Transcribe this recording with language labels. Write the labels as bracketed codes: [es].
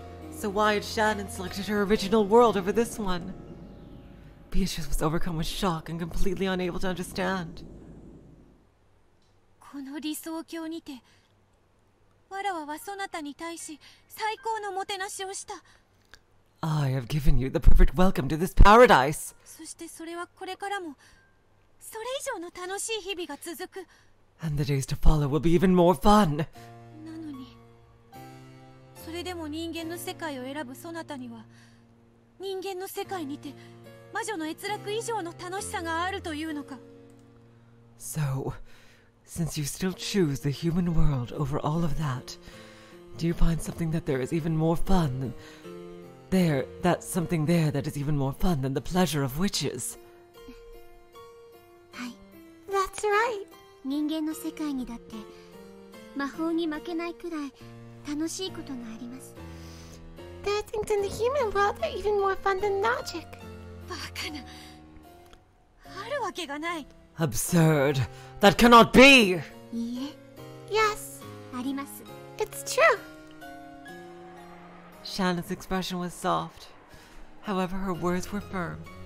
[en] So why had Shannon selected her original world over this one? Beatrice was overcome with shock and completely unable to understand. [ja] この理想郷にて、わらわはそなたに対し最高のもてなしをした。 [en] I have given you the perfect welcome to this paradise. [ja] そしてそれはこれからも、それ以上の楽しい日々が続く。 [en] And the days to follow will be even more fun. [ja] なのに、それでも人間の世界を選ぶそなたには、人間の世界にて、魔女の閲楽以上の楽しさがあるというのか。 [en] So, since you still choose the human world over all of that, do you find something that there is even more fun than... There, that's something there that is even more fun than the pleasure of witches. That's right. [ja] 人間の世界にだって魔法に負けないくらい楽しいことがあります。 [en] There are things in the human world that are even more fun than magic. [ja] バカな!あるわけがない! [en] Absurd! That cannot be! [ja] いいえ! [en] Yes! [ja] あります! [en] It's true! Shanna's expression was soft. However, her words were firm.